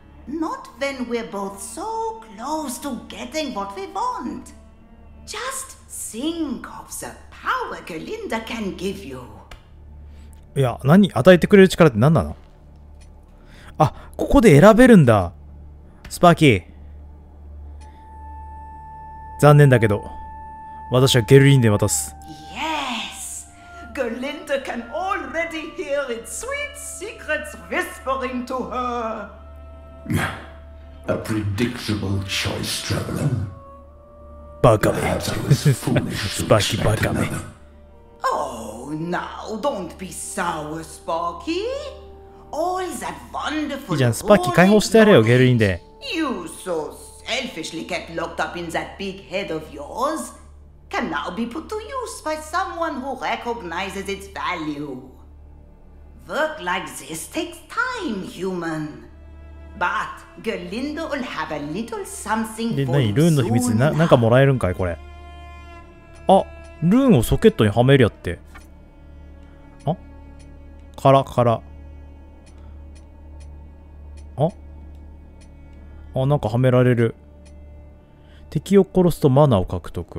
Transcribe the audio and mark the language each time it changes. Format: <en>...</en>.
<en>Not when we're both so close to getting what we want. Just think of the power Galinda can give you.</en> <ja>いや、何、与えてくれる力って何なの？あ、ここで選べるんだ。スパーキー、残念だけど、私はゲルリンで渡す。</ja> <en>Yes! Galinda can already hear its sweet secrets whispering to her! A predictable choice, traveler.</en> <ja>バカめ。スパーキーバカめ。</ja> <en>Oh, now don't be sour, Sparky! All that wonderful</en> <ja>いいじゃん、スパーキー解放してやれよ、ゲルリンで。</ja> <en>You so selfishly kept locked up in that big head of yours can now be put to use by someone who recognizes its value. Work like this takes time, human. But Galinda will have a little something for you.</en> <ja>ルーンの秘密に何かもらえるんかいこれ。あ、ルーンをソケットにはめるやって。あ？カラカラ。あ、なんかはめられる。敵を殺すとマナを獲得。</ja>